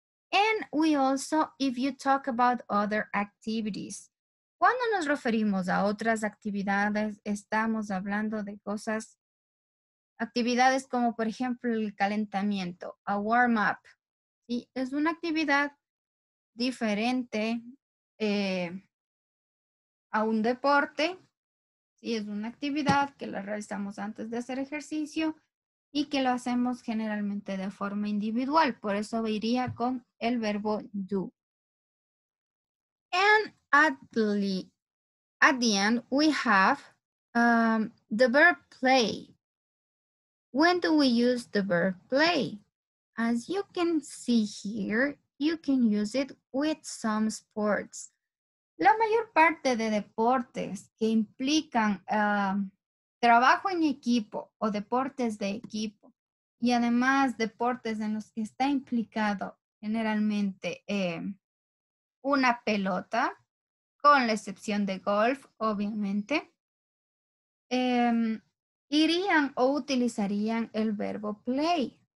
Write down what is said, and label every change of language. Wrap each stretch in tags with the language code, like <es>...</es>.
<en>And we also, if you talk about other activities.</en> <es>Cuando nos referimos a otras actividades, estamos hablando de cosas, actividades como, por ejemplo, el calentamiento, a warm up. Y es una actividad diferente a un deporte. Y es una actividad que la realizamos antes de hacer ejercicio y que lo hacemos generalmente de forma individual. Por eso iría con el verbo do.</es> <en>And at the end, we have the verb play. When do we use the verb play? As you can see here, you can use it with some sports.</en> <es>La mayor parte de deportes que implican trabajo en equipo o deportes de equipo y además deportes en los que está implicado generalmente una pelota, con la excepción de golf, obviamente, irían o utilizarían el verbo play.</es>